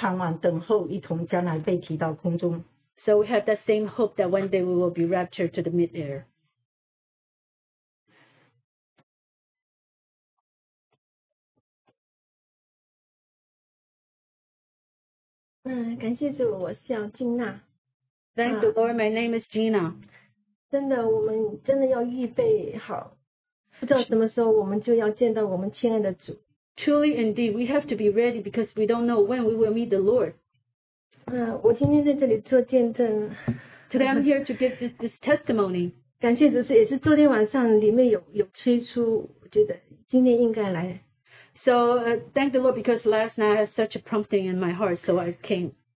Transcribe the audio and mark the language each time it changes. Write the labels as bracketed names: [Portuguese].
[Chinese] 所以我们还是真的在一个盼望，等候一同将来被提到空中。 [English] So we have that same hope that one day we will be raptured to the mid-air. Thank the Lord, my name is Gina. [Chinese] 真的，我们真的要预备好，不知道什么时候我们就要见到我们亲爱的主。 [English] Truly indeed, we have to be ready because we don't know when we will meet the Lord. [Chinese] 我今天在这里做见证。 [English] Today I'm here to give this testimony. [Chinese] 感谢主，也是昨天晚上里面有催促，我觉得今天应该来。 [English] So thank the Lord because last night I had such a prompting in my heart, so I came.